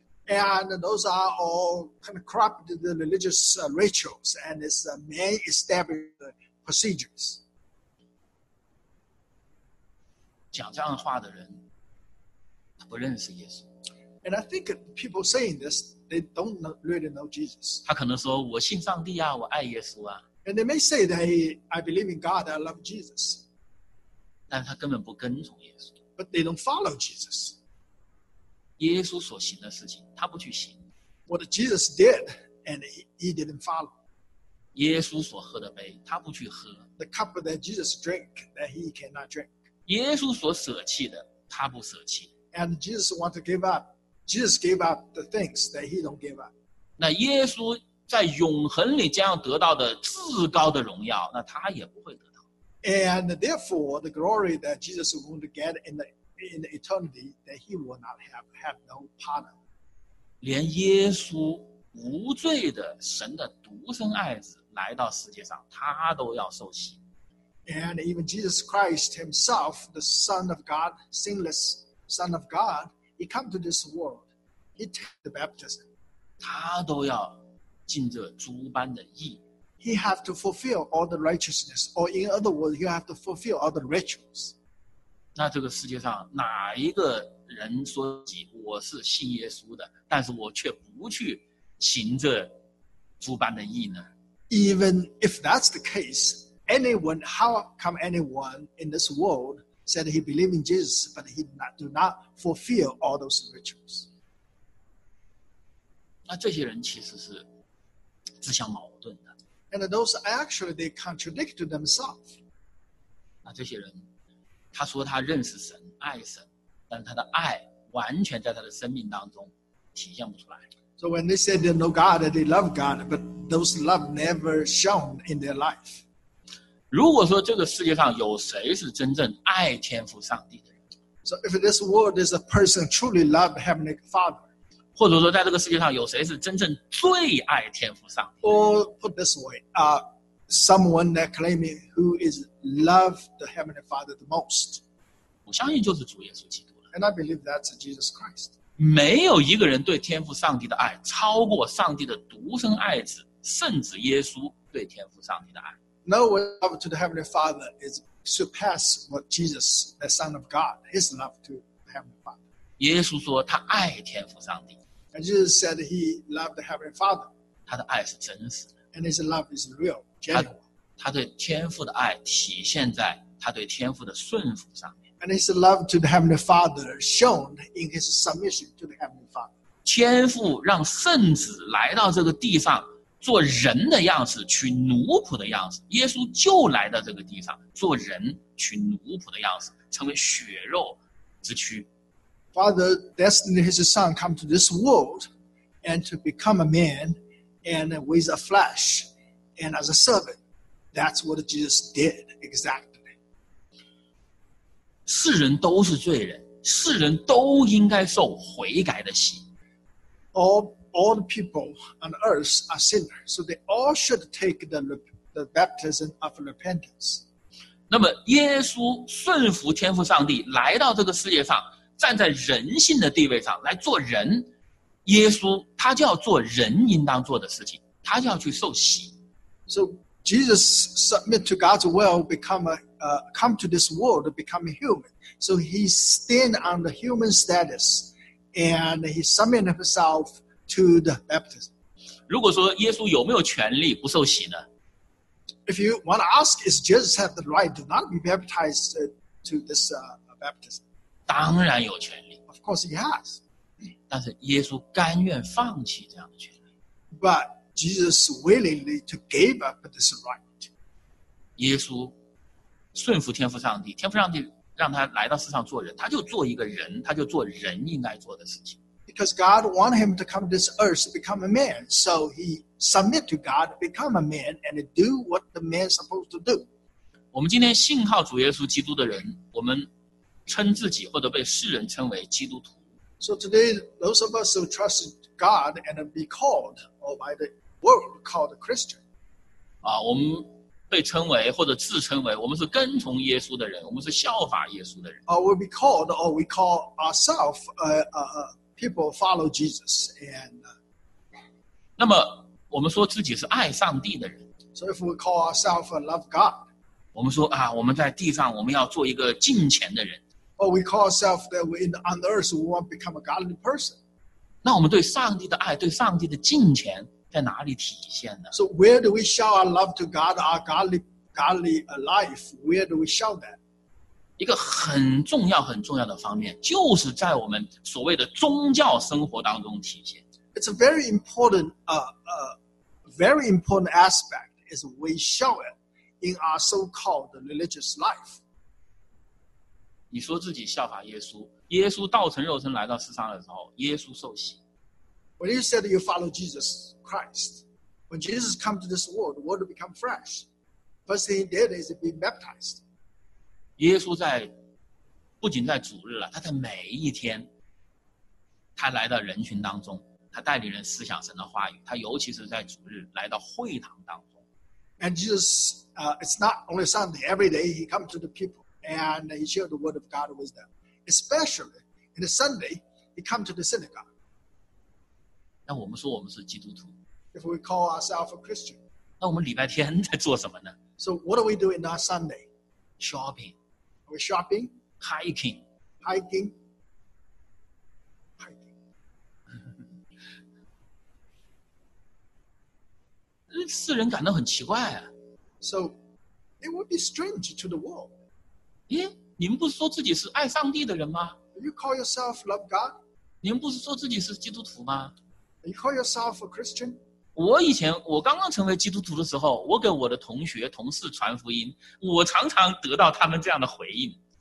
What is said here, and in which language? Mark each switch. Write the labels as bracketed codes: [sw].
[en] And those are all kind of corrupt the religious rituals and it's man established procedures. [zh] 讲这样的话的人，他不认识耶稣。 [en] And I think people saying this, they don't really know Jesus. [zh] 他可能说我信上帝啊，我爱耶稣啊。 [en] And they may say that I believe in God, I love Jesus. [zh] 但他根本不跟从耶稣。 [en] But they don't follow Jesus. [zh] 耶稣所行的事情，他不去行。 [en] What Jesus did, and he didn't follow. [zh] 耶稣所喝的杯，他不去喝。 [en] The cup that Jesus drank, that he cannot drink. [zh] 耶稣所舍弃的，他不舍弃。 [en] And Jesus wants to give up. Jesus gave up the things that he don't give up. [zh] 那耶稣在永恒里将要得到的至高的荣耀，那他也不会得到。 [en] And therefore, the glory that Jesus is going to get in the eternity, that he will not have no partner. [zh] 连耶稣无罪的神的独生爱子来到世界上，他都要受洗。 [en] And even Jesus Christ himself, the Son of God, sinless Son of God,He come to this world. He take the baptism. [zh] 他都要尽这诸般的义。 [en] He have to fulfill all the righteousness. Or in other words, he have to fulfill all the rituals. [zh] 那这个世界上哪一个人说起我是信耶稣的，但是我却不去行这诸般的义呢？ [en] Even if that's the case, anyone, how come anyone in this world? Said he believed in Jesus, but he do not fulfill all those rituals. [zh] 那这些人其实是自相矛盾的。 [en] And those actually they contradict themselves. [zh] 那这些人，他说他认识神、爱神，但是他的爱完全在他的生命当中体现不出来。 [en] So when they said they know God, they love God, but those love never shown in their life. [zh] 如果说这个世界上有谁是真正爱天父上帝的人 [en] ？So if this world is a person truly love Heavenly Father， [zh] 或者说在这个世界上有谁是真正最爱天父上帝 [en] ？Or put this way, someone that claiming who is love the Heavenly Father the most， [zh] 我相信就是主耶稣基督了。 [en] And I believe that's Jesus Christ。 [zh] 没有一个人对天父上帝的爱超过上帝的独生爱子，甚至耶稣对天父上帝的爱。 [en] No love to the Heavenly Father is surpass what Jesus, the Son of God, his love to the Heavenly Father. [zh] 耶稣说他爱天父上帝。 [en] And Jesus said he loved the Heavenly Father. [zh] 他的爱是真实的。 [en] And his love is real, genuine. [zh] 他对天父的爱体现在他对天父的顺服上面。 [en] And his love to the Heavenly Father shown in his submission to the Heavenly Father. [zh] 天父让圣子来到这个地上做人的样子，取奴仆的样子。耶稣就来到这个地上，做人，取奴仆的样子，成为血肉之躯。 [en] Father destined his son come to this world and to become a man and with a flesh and as a servant. That's what Jesus did exactly. [zh] 世人都是罪人，世人都应该受悔改的洗。 [en] All the people on earth are sinners, so they all should take the baptism of repentance. [zh] 那么耶稣顺服天父上帝来到这个世界上，站在人性的地位上来做人，耶稣他就要做人应当做的事情，他就要去受洗。 [en] So Jesus submit to God's will, come to this world, become human. So he stand on the human status, and he submit himself. To the baptism. [zh] 如果说耶稣有没有权利不受洗呢？ [en] If you want to ask, is Jesus have the right to not be baptized to this baptism? [zh] 当然有权利。 [en] Of course he has. [zh] 但是耶稣甘愿放弃这样的权利。 [en] But Jesus willingly to give up this right. [zh] 耶稣顺服天父上帝，天父上帝让他来到世上做人，他就做一个人，他就做人应该做的事情。 [en] Because God wanted him to come to this earth to become a man, so he submit to God to become a man and do what the man is supposed to do. [zh] 我们今天信靠主耶稣基督的人，我们称自己或者被世人称为基督徒。 [en] So today, those of us who trust God and be called or by the world called a Christian. [zh] 啊，我们被称为或者自称为，我们是跟从耶稣的人，我们是效法耶稣的人。 [en] Or we be called, or we call ourselves people follow Jesus. And [zh] 那么我们说自己是爱上帝的人。 [en] So if we call ourselves love God, [zh] 我们说啊，我们在地上我们要做一个敬虔的人。 [en] Or we call ourselves that we're in the, on the earth, we want to become a godly person. [zh] 那我们对上帝的爱，对上帝的敬虔在哪里体现呢？ [en] So where do we show our love to God, our godly life? Where do we show that? [zh] 一个很重要很重要的方面，就是在我们所谓的宗教生活当中体现。 [en] It's a very important, very important aspect is we show it in our so-called religious life. [zh] 你说自己效法耶稣，耶稣道成肉身来到世上的时候，耶稣受洗。 [en] When you said you follow Jesus Christ, when Jesus come to this world, the world become fresh. First thing he did is be baptized. [zh] 耶稣在不仅在主日了，他在每一天，他来到人群当中，他带领人思想神的话语，他尤其是在主日来到会堂当中。 [en] And Jesus, it's not only Sunday. Every day he come to the people. And he shared the word of God with them. Especially in the Sunday, he come to the synagogue. [zh] 那我们说我们是基督徒。 [en] If we call ourselves a Christian. [zh] 那我们礼拜天在做什么呢？ [en] So what do we do in our Sunday? Shopping. Are we shopping? Hiking. Hiking. Hiking. [zh] 世人感到很奇怪啊。 [en] So it would be strange to the world. [zh] 咦，你们不是说自己是爱上帝的人吗？ [en] You call yourself love God? [zh] 你们不是说自己是基督徒吗？ [en] You call yourself a Christian? [zh] 我以前我刚刚成为基督徒的时候，我给我的同学同事传福音，我常常得到他们这样的回应。